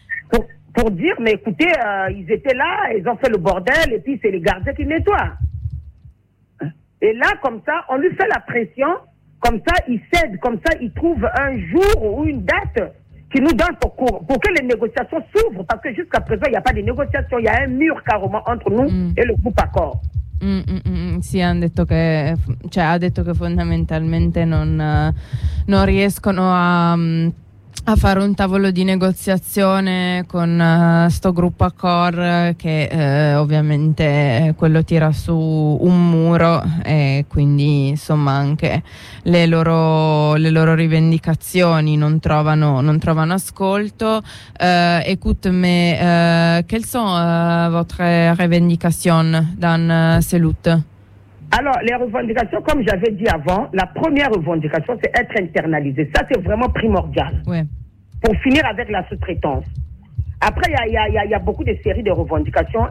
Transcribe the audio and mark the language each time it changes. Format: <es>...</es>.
<fr>Pour dire mais écoutez, ils étaient là, ils ont fait le bordel et puis c'est les gardiens qui nettoient. Et là comme ça, on lui fait la pression. Comme ça, il cède, comme ça, il trouve un jour ou une date qui nous donne pour que les négociations s'ouvrent. Parce que jusqu'à présent, il n'y a pas de négociations. Il y a un mur carrément entre nous et le groupe Accor.</fr> <it>Sì, ha detto che fondamentalmente non riescono a a fare un tavolo di negoziazione con sto gruppo Accor, che ovviamente quello tira su un muro, e quindi insomma anche le loro rivendicazioni non trovano ascolto.</it> <fr>Écoute, mais quelles sont votre revendication dans ces luttes? Alors, les revendications, comme j'avais dit avant, la première revendication, c'est être internalisé. Ça, c'est vraiment primordial. Oui. Pour finir avec la sous-traitance. Après, il y a beaucoup de séries de revendications.</fr>